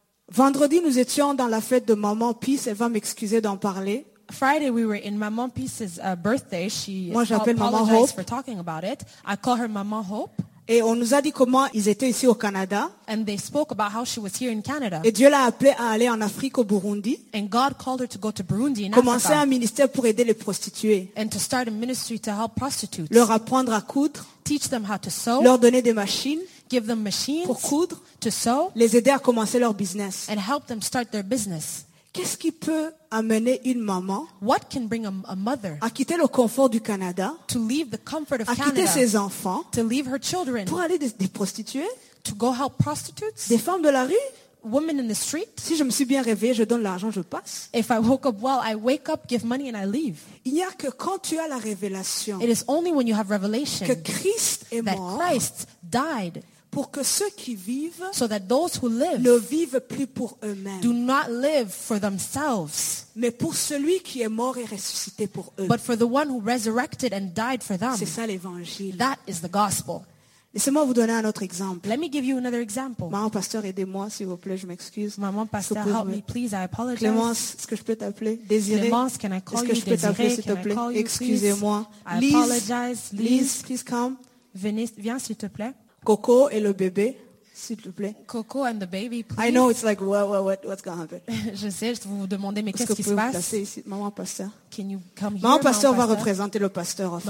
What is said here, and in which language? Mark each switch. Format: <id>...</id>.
<fr>Vendredi, nous étions dans la fête de Maman Peace. Elle va m'excuser d'en parler.</fr> <en>Friday, we were in Maman Peace's birthday. She</en> <fr>moi, j'appelle Maman Hope.</fr> <en>For talking about it. I call her Maman Hope.</en> <fr>Et on nous a dit comment ils étaient ici au Canada.</fr> <en>And they spoke about how she was here in Canada.</en> <fr>Et Dieu l'a appelée à aller en Afrique au Burundi.</fr> <en>And God called her to go to Burundi in</en> <fr>commencer</fr> <en>Africa.</en> <fr>Un ministère pour aider les prostituées.</fr> <en>And to start a ministry to help prostitutes.</en> <fr>Leur apprendre à coudre.</fr> <en>Teach them how to sew.</en> <fr>Leur donner des machines.</fr> <en>Give them machines.</en> <fr>Pour coudre.</fr> <en>To sew.</en> <fr>Les aider à commencer leur business.</fr> <en>And help them start their business.</en> <fr>Qu'est-ce qui peut amener une maman</fr> <en>what can bring a mother</en> <fr>à quitter le confort du Canada,</fr> <en>to leave the comfort of</en> <fr>à quitter</fr> <en>Canada,</en> <fr>ses enfants,</fr> <en>to leave her children,</en> <fr>pour aller des prostituées,</fr> <en>to go help prostitutes,</en> <fr>des femmes de la rue,</fr> <en>women in the street.</en> <fr>Si je me suis bien réveillée, je donne l'argent, je passe.</fr> <en>If I woke up well, I wake up, give money and I leave.</en> <fr>Il n'y a que quand tu as la révélation,</fr> <en>it is only when you have revelation,</en> <fr>que Christ est mort,</fr> <en>that Christ died.</en> <fr>Pour que ceux qui vivent</fr> <en>so that those who live</en> <fr>ne vivent plus pour eux-mêmes.</fr> <en>Do not live for themselves.</en> <fr>Mais pour celui qui est mort et ressuscité pour eux.</fr> <en>But for the one who resurrected and died for them.</en> <fr>C'est ça l'évangile.</fr> <en>That is the gospel.</en> <fr>Laissez-moi vous donner un autre exemple.</fr> <en>Let me give you another example.</en> <fr>Maman, pasteur, aidez-moi, s'il vous plaît, je m'excuse.</fr> <en>Maman, pasteur, help me, please, I apologize.</en> <fr>Clémence, est-ce que je peux t'appeler? Désirée.</fr> <en>Clémence, can I call you?</en> <fr>Est-ce que je peux t'appeler, s'il te plaît? Excusez-moi.</fr> <en>I apologize. Lise, please come.</en> <fr>Venez, viens, s'il te plaît. Coco et le bébé, s'il te plaît.</fr> <en>Coco and the baby, please. I know it's like what's going to happen.</en> <fr>Je sais, vous vous demandez mais qu'est-ce qui se passe? Est-ce que vous pouvez placer ici, maman pasteur?</fr> <en>Can you come here,</en> <fr>maman pasteur va représenter le pasteur en fait.</fr>